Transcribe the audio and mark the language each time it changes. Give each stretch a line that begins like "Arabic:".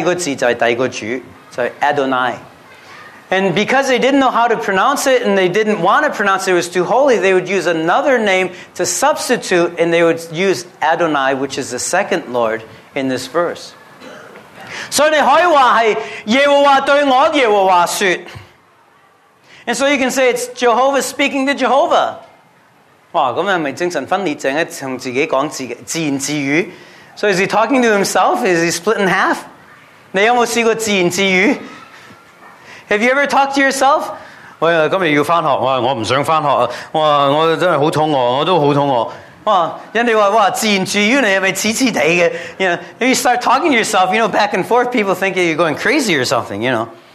Chinese: 于是他用第二个字来代替，那第二个字就是第二个主，就是Adonai.
English: And because they didn't know how to pronounce it and they didn't want to pronounce it, it was too holy, they would use another name to substitute and they would use Adonai, which is the second Lord in this verse.
Chinese: So they Yehovah对我耶和华说.
English: And so you can say it's Jehovah speaking to Jehovah.
Chinese: 哇,那不是精神分裂症,从自己讲自言自语?
English: So is he talking to himself? Is he split in half?
Chinese: 你有没有试过自言自语?
English: Have you ever talked to yourself?
Chinese: 我今天要上学,我不想上学,我真的很痛,我都很痛。人家说,自言自语,你是不是痴痴的?
English: You know, you start talking to yourself, you know, back and forth, people think you're going crazy or something, you know.